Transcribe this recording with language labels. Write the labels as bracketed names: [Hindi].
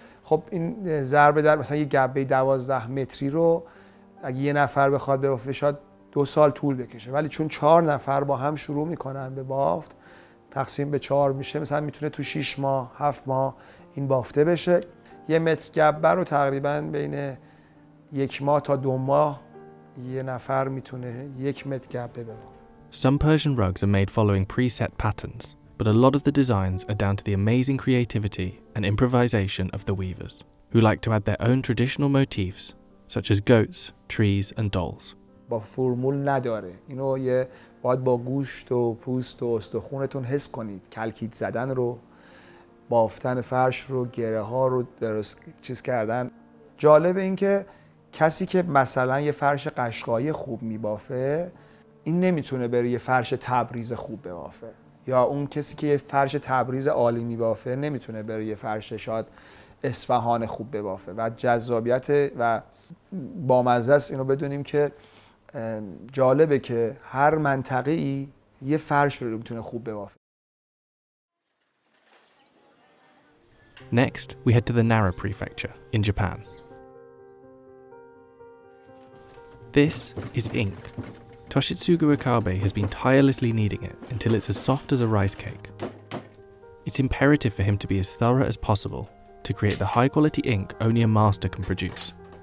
[Persian] خب این ضربه در مثلا یه گبه 12 متری رو اگه یه نفر بخواد ببافه شاید 2 سال طول بکشه، ولی چون 4 نفر با هم شروع میکنن به بافت تقسیم به 4 میشه، مثلا میتونه تو 6 ماه 7 ماه این بافته بشه. یه متر گبه رو تقریبا بین 1 ماه تا 2 ماه یه نفر میتونه 1 متر گبه ببافه. [English] Some Persian rugs are made following preset patterns, but a lot of the designs are down to the amazing creativity and improvisation of the weavers, who like to add their own traditional motifs, such as goats, trees, and dolls. [Persian] با فرمول نداره. اینو یه باید با گوشت و پوست و استخونتون حس کنید. کلکید زدن رو، بافتن فرش رو، گره ها رو درست چیز کردن. جالب این که کسی که مثلا یه فرش قشقایی خوب میبافه، این نمیتونه بره یه فرش تبریز خوب ببافه. یا اون کسی که یه فرش تبریز عالی میبافه نمیتونه بره یه فرش شاد اصفهان خوب ببافه. و جذابیت و بامزه است اینو بدونیم که جالبه که هر منطقه ای یه فرش رو میتونه خوب ببافه. [English] Next, we head to the Nara prefecture in Japan. This is ink. Toshitsugu Okabe has been tirelessly kneading it until it's as soft as a rice cake. It's imperative for him to be as thorough as possible to create the high-quality ink only a master can produce.